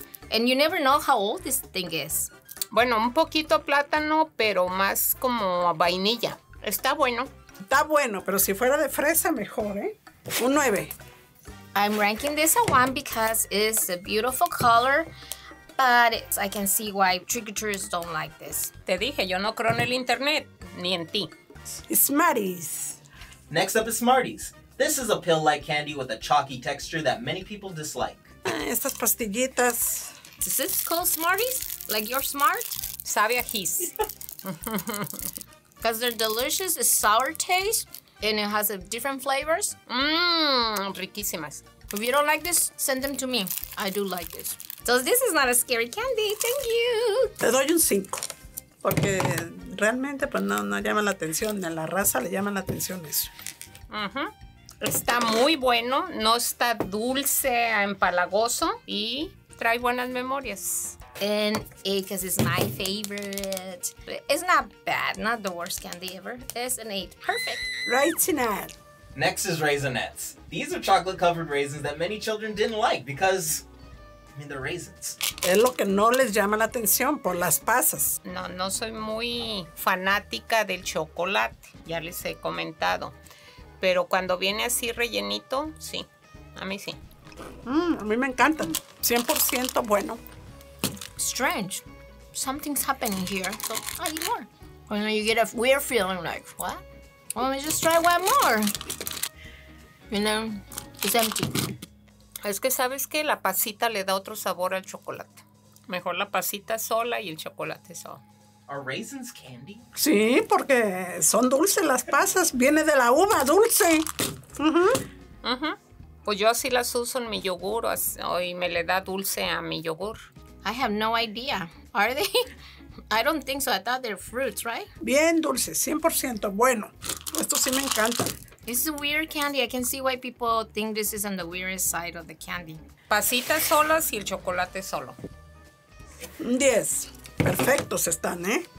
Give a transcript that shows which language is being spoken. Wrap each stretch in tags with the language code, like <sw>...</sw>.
<en>And you never know how old this thing is.</en> <es>Bueno, un poquito plátano, pero más como vainilla. Está bueno. Está bueno, pero si fuera de fresa, mejor, ¿eh? Un 9.</es> <en>I'm ranking this a 1 because it's a beautiful color. But I can see why trick-or-treaters don't like this.</en> <es>Te dije, yo no creo en el internet, ni en ti.</es> <en>Smarties. Next up is Smarties. This is a pill-like candy with a chalky texture that many people dislike.</en> <es>Estas pastillitas.</es> <en>Is this called Smarties? Like you're smart?</en> <es>Sabe a his.</es> <en>Because they're delicious, it's sour taste, and it has different flavors.</en> <es>Riquísimas.</es> <en>If you don't like this, send them to me. I do like this. So this is not a scary candy. Thank you.</en> <es>Te doy un 5. Porque realmente pues no llama la atención. A la raza le llama la atención eso. Está muy bueno. No está dulce, empalagoso. Y trae buenas memorias.</es> <en>And because it's my favorite. It's not bad. Not the worst candy ever. It's an 8. Perfect. Right in that. Next is Raisinets. These are chocolate-covered raisins that many children didn't like because...</en> <es>Es lo que no les llama la atención por las pasas. No soy muy fanática del chocolate, ya les he comentado. Pero cuando viene así rellenito, sí, a mí sí. A mí me encantan, 100% bueno.</es> <en>Strange, something's happening here. So I eat more. And then you get a weird feeling like, what? Well, let me just try one more. You know, it's empty.</en> <es>Es que sabes que la pasita le da otro sabor al chocolate. Mejor la pasita sola y el chocolate solo.</es> <en>¿Are raisins candy?</en> <es>Sí, porque son dulces las pasas. Viene de la uva, dulce. Pues yo así las uso en mi yogur y me le da dulce a mi yogur.</es> <en>I have no idea. Are they? I don't think so. I thought they're fruits, right?</en> <es>Bien dulce, 100%. Bueno, esto sí me encanta.</es> <en>It's a weird candy. I can see why people think this is on the weirdest side of the candy.</en> <es>Pasitas solas y el chocolate solo. 10. Perfectos están, ¿eh?</es>